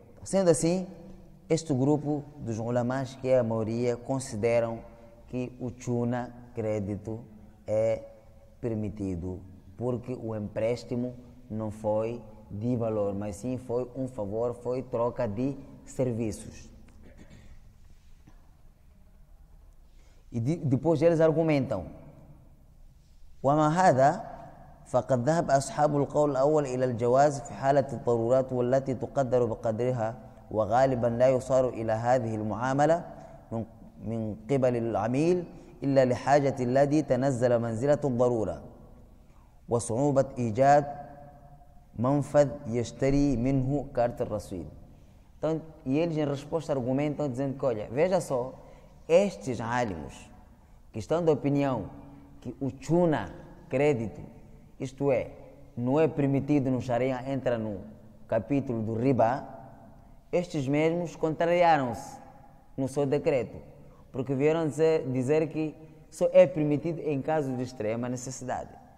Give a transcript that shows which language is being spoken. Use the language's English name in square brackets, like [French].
[Portuguese] Sendo assim, este grupo dos ulamás, que é a maioria, consideram que o tuna crédito é permitido porque o empréstimo não foi de valor, mas sim foi um favor, foi troca de serviços. E depois eles argumentam: [Arabic] وما هذا فقد ذهب أصحاب القول الأول إلى الجواز في حالة الضرورات والتي تقدر بقدرها وغالبا لا يصار إلى هذه المعاملة من قبل العميل إلا لحاجة الذي تنزل منزلة الضرورة وصعوبة إيجاد منفذ يشتري منه كارت الرصيد. [Portuguese] Então, e eles, em resposta, argumentam dizendo que, olha, veja só, estes álimos que estão da opinião que o tuna crédito, isto é, não é permitido no Sharia, entra no capítulo do riba, estes mesmos contrariaram-se no seu decreto, porque vieram dizer que só é permitido em caso de extrema necessidade.